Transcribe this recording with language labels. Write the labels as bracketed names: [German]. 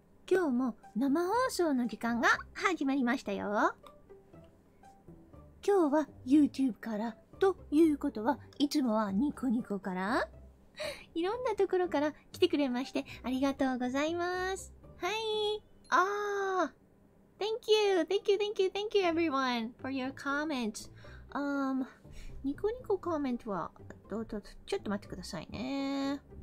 [Japanese] 今日も生放送の時間が始まりましたよ。今日は YouTube からということはいつもはニコニコからいろんなところから来てくれましてありがとうございます。はい。ああ。 [English] Thank you, thank you, thank you, thank you everyone for your comments. [Japanese] ニコニココメントはちょっと待ってくださいね。